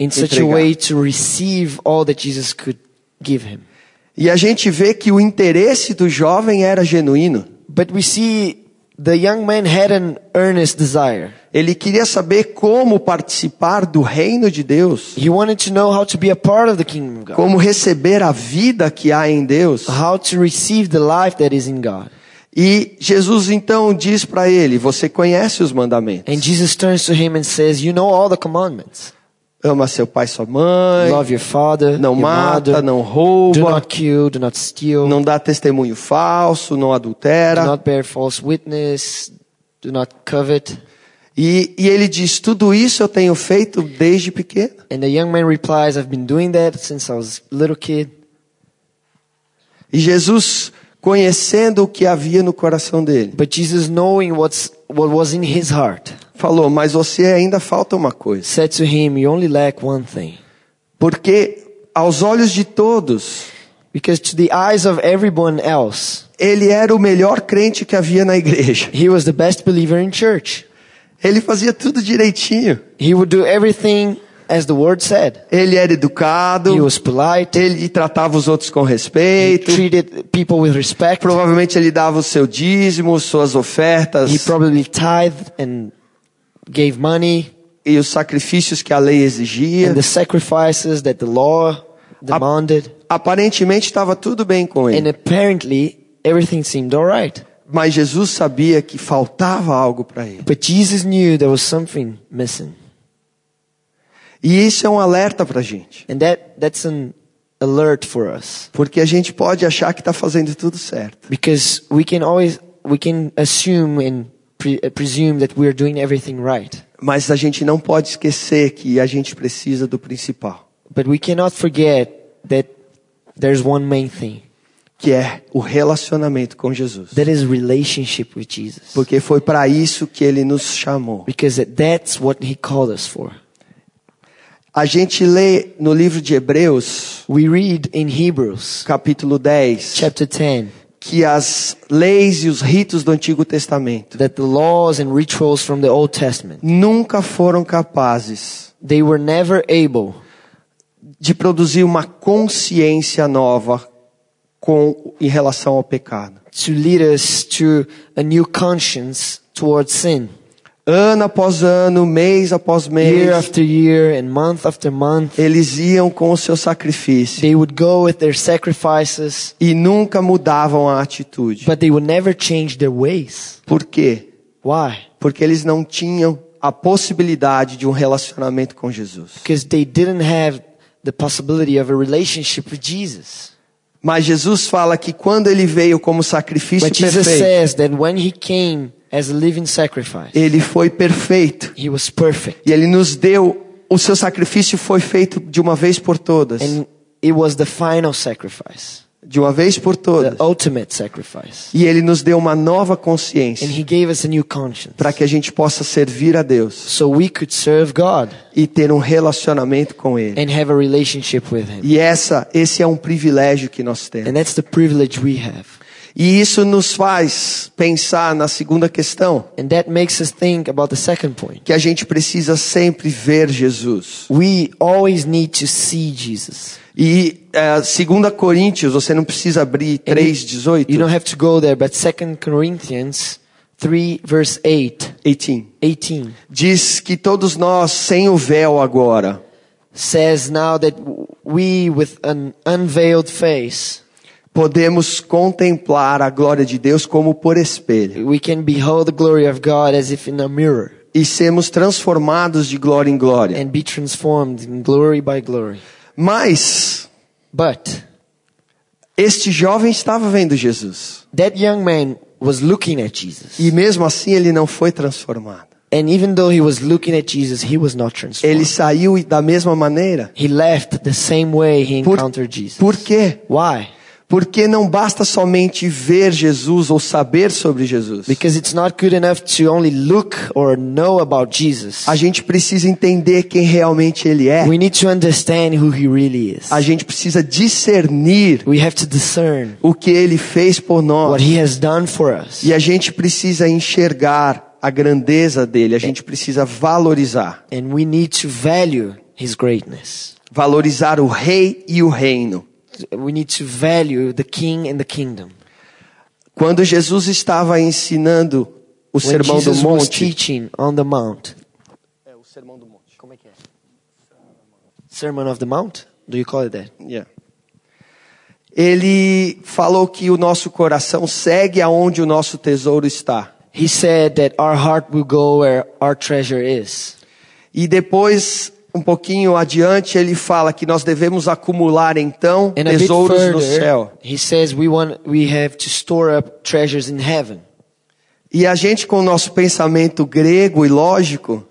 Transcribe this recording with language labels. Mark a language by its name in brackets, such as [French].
[English] In such a way to receive all that Jesus could give him. [Portuguese] E a gente vê que o interesse do jovem era genuíno. [English] But we see the young man had an earnest desire. [Portuguese] Ele queria saber como participar do reino de Deus. [English] He wanted to know how to be a part of the kingdom of God. [Portuguese] Como receber a vida que há em Deus. [English] How to receive the life that is in God. [Portuguese] E Jesus então diz para ele, você conhece os mandamentos. [English] And Jesus turns to him and says, you know all the commandments. [Portuguese] Ama seu pai e sua mãe. [English] Love your father. [Portuguese] Não [English] your [Portuguese] mata, [English] mother, [Portuguese] não rouba. [English] Do not kill, do not steal. [Portuguese] Não dá testemunho falso, não adultera. [English] Do not bear false witness, do not covet. [Portuguese] E ele diz, tudo isso eu tenho feito desde pequeno. [English] And the young man replies, I've been doing that since I was a little kid. [Portuguese] E Jesus, conhecendo o que havia no coração dele. [English] But Jesus knowing what was in his heart. [Portuguese] Falou, mas você ainda falta uma coisa. [English] Said to him, you only lack one thing. [Portuguese] Porque aos olhos de todos, [English] because to the eyes of everyone else, [Portuguese] ele era o melhor crente que havia na igreja. [English] He was the best believer in church. [Portuguese] Ele fazia tudo direitinho. [English] He would do everything as the word said. [Portuguese] Ele era educado. [English] He was polite. [Portuguese] Ele tratava os outros com respeito. [English] He treated people with respect. [Portuguese] Provavelmente ele dava o seu dízimo, suas ofertas. [English] He probably tithed and gave money. [Portuguese] E os sacrifícios que a lei exigia. [English] And the sacrifices that the law demanded. [Portuguese] Aparentemente estava tudo bem com ele. [English] And apparently everything seemed all right. [Portuguese] Mas Jesus sabia que faltava algo para ele. [English] But Jesus knew there was something missing. [Portuguese] E isso é um alerta para a gente. [English] And that's an alert for us. [Portuguese] Porque a gente pode achar que está fazendo tudo certo. [English] Because we can assume and presume that we're doing everything right. [Portuguese] Mas a gente não pode esquecer que a gente precisa do principal. [English] But we cannot forget that there's one main thing. [Portuguese] Que é o relacionamento com Jesus. [English] That is relationship with Jesus. [Portuguese] Porque foi para isso que ele nos chamou. [English] Because that's what he called us for. [Portuguese] A gente lê no livro de Hebreus, [English] we read in Hebrews, [Portuguese] capítulo 10, [English] chapter 10, [Portuguese] que as leis e os ritos do Antigo Testamento, [English] that the laws and rituals from the Old Testament, [Portuguese] nunca foram capazes, [English] they were never able, [Portuguese] de produzir uma consciência nova com em relação ao pecado, [English] to lead us to a new conscience towards sin. [Portuguese] Ano após ano, mês após mês, [English] year after year and month after month, [Portuguese] eles iam com o seu sacrifício. [English] They would go with their sacrifices, [Portuguese] e nunca mudavam a atitude. [English] But they would never change their ways. [Portuguese] Por quê? [English] Why? [Portuguese] Porque eles não tinham a possibilidade de um relacionamento com Jesus. [English] Because they didn't have the possibility of a relationship with Jesus. [Portuguese] Mas Jesus fala que quando ele veio como sacrifício [English] But Jesus [Portuguese] perfeito, [English] says that when he came as a living sacrifice. [Portuguese] Ele foi perfeito. [English] He was perfect. [Portuguese] E ele nos deu o seu sacrifício foi feito de uma vez por todas. [English] And it was the final sacrifice. [Portuguese] De uma vez por todas. [English] The ultimate sacrifice. [Portuguese] E ele nos deu uma nova consciência. [English] And he gave us a new conscience. [Portuguese] Para que a gente possa servir a Deus. [English] So we could serve God. [Portuguese] E ter um relacionamento com ele. [English] And have a relationship with him. [Portuguese] E esse é um privilégio que nós temos. [English] And that's the privilege we have. [Portuguese] E isso nos faz pensar na segunda questão. [English] And that makes us think about the second point. [Portuguese] Que a gente precisa sempre ver Jesus. [English] We always need to see Jesus. [Portuguese] E 2 Coríntios, você não precisa abrir 3:18. [English] You don't have to go there, but 2 Corinthians 3:18. [Portuguese] Diz que todos nós sem o véu agora. [English] Says now that we with an unveiled face. [Portuguese] Podemos contemplar a glória de Deus como por espelho. [English] We can behold the glory of God as if in a mirror. [Portuguese] E sermos transformados de glória em glória. [English] And be transformed in glory by glory. [Portuguese] Mas, [English] but, [Portuguese] este jovem estava vendo Jesus. [English] That young man was looking at Jesus. [Portuguese] E mesmo assim ele não foi transformado. [English] And even though he was looking at Jesus, he was not transformed. [Portuguese] Ele saiu da mesma maneira. [English] He left the same way he encountered Jesus. [Portuguese] Por quê? [English] Why? [Portuguese] Porque não basta somente ver Jesus ou saber sobre Jesus. [English] Because it's not good enough to only look or know about Jesus. [Portuguese] A gente precisa entender quem realmente ele é. [English] We need to understand who he really is. [Portuguese] A gente precisa discernir. [English] We have to discern. [Portuguese] O que ele fez por nós. [English] What he has done for us. [Portuguese] E a gente precisa enxergar a grandeza dele. A gente precisa valorizar. [English] And we need to value his greatness. [Portuguese] Valorizar o rei e o reino. [English] We need to value the king and the kingdom. [Portuguese] Quando Jesus estava ensinando o Sermão do Monte, [English] when Jesus was teaching on the mount, [Portuguese] o Sermão do Monte, como é que é? [English] Sermon of the Mount? Do you call it that? Yeah. [Portuguese] Ele falou que o nosso coração segue aonde o nosso tesouro está. [English] He said that our heart will go where our treasure is. [Portuguese] E depois um pouquinho adiante ele fala que nós devemos acumular então tesouros [English] further, [Portuguese] no céu. [English] He says we have to store up treasures in heaven. [Portuguese] E a gente com o nosso pensamento grego e lógico,